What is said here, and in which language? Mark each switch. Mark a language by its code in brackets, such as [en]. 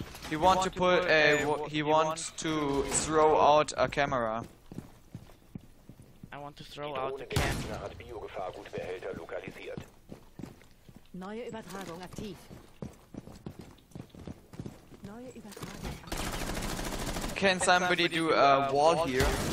[en] He wants to throw out a camera. I want to throw out the camera. [de] Hat Biogefahrgutbehälter lokalisiert. Neue Übertragung aktiv. Neue Übertragung aktiv. [en] Can somebody do a wall here?